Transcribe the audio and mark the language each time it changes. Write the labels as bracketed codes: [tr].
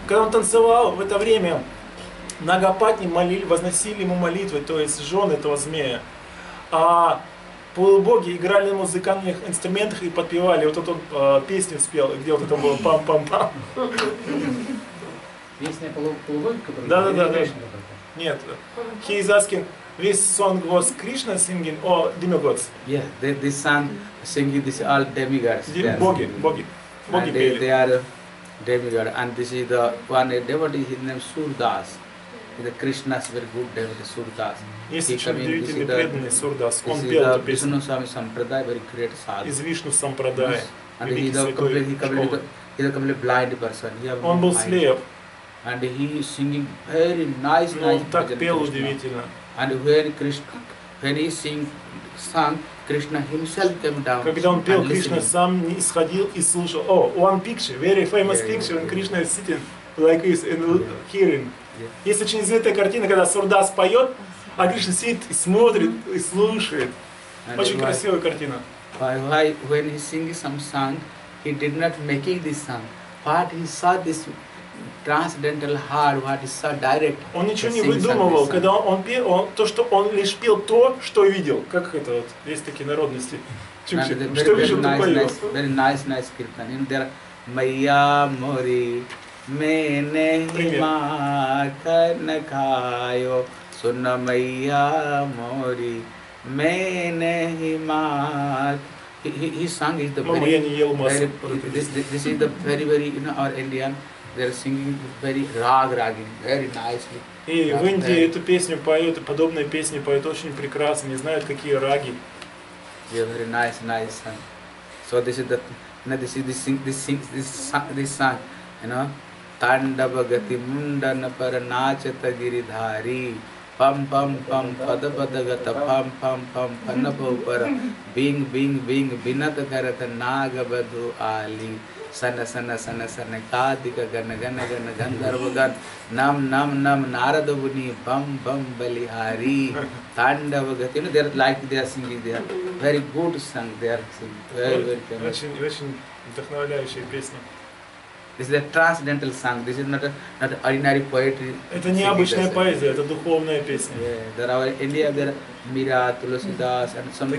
[ru] Когда он танцевал в это время, Нагапатни молили, возносили ему молитвы, то есть жены этого змея. А полубоги играли на музыкальных инструментах и подпевали. Вот тут он песню спел, где вот это было пам-пам-пам. Песня полубоги, которая... Да-да-да. Нет. [en] He is asking, this song was Krishna singing or demigods? Yeah, this song singing, this all demigods. [ru] Боги. [en] They are demigods. And this is the one devotee, his name is Surdas. The Krishna's very good devotee, Surdas. [ru] Есть очень удивительный преданный Surdas. Он пел эту песню. Vishnu Swami Sampradaya, [en] very great sadhu. [ru] Из Вишну Сампрадая. [en] And he is a completely blind person. [ru] Он был слеп. [en] And he is singing very nice, nice. [ru] Он так пел удивительно. [en] And when Krishna, when he sing song, Krishna himself came down. [ru] Когда он пел, Кришна сам не исходил и слушал. [en] Oh, one picture, very famous picture, when Krishna is sitting like this and hearing. Yeah. [ru] Есть очень известная картина, когда Сурдас поет, а Кришна сидит и смотрит, и слушает. And очень красивая картина. [en] Why, when he sings some song, he did not make this song, but he saw this transcendental heart, what he saw direct. [ru] Он ничего не выдумывал, когда он пел, то, что он лишь пел то, что видел. Как это вот, есть такие народности. Чукчи, что видел, то поел. [en] Very nice, nice kirtan. You know, there are [hi] Майя мори, мене хима карнакайо. Сунна майя мори, мене хима. [en] His song is the very, this is the very, very, you know, our Indian, they're singing very rag ragging, very nicely. [ru] И в Индии эту песню поют, подобные песни поют очень прекрасно, не знают какие раги. [en] Yeah, very nice, nice song. So this is the, you know, this song, you know. [sa] Tandava gati mundana paranachata giridhari. Pam pam pam pada pada gata pam pam pam panapopara bing bing bing binata garata nagabadu ali sana sana sana sana kadika gana gana gana gandharvagan nam nam nam naradavuni bam bam balihari tandava gati, [en] you know, they're like, they are singing, they are very good song, they are singing very, very famous. This is a transcendental song. This is not ordinary poetry. [ru] Это необычная поэзия, это духовная песня. [en] Yeah, there are in India there are Mira, Tulasidas, and some of